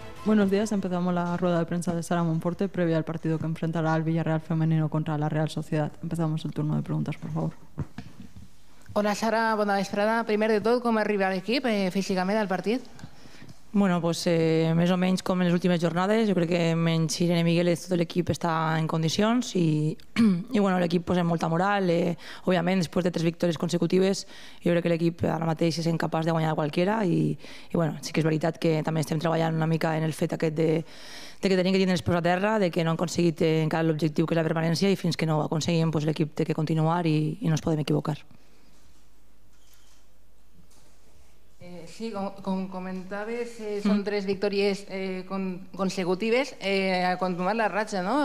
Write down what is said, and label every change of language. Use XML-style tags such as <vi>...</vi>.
<es>Buenos días, empezamos la rueda de prensa de Sara Monforte previa al partido que enfrentará al Villarreal femenino contra la Real Sociedad. Empezamos el turno de preguntas, por favor. Hola Sara, buena vesprada. Primero de todo, ¿cómo arriba el equipo físicamente al partido?</es> <ca>Bueno, pues més o menys com en les últimes jornades. Jo crec que menys Irene Miguelet, tot l'equip està en condicions i bueno, l'equip posa molta moral. Òbviament, després de 3 victòries consecutives, jo crec que l'equip ara mateix és incapaç de guanyar a qualsevol i bueno, sí que és veritat que també estem treballant una mica en el fet aquest de que tenim que tenir els peus a terra, de que no hem aconseguit encara l'objectiu que és la permanència i fins que no ho aconseguim, pues, l'equip té que continuar i no ens podem equivocar.</ca> <es>Sí, como comentabas, son 3 victorias consecutivas, a continuar la racha, ¿no?</es>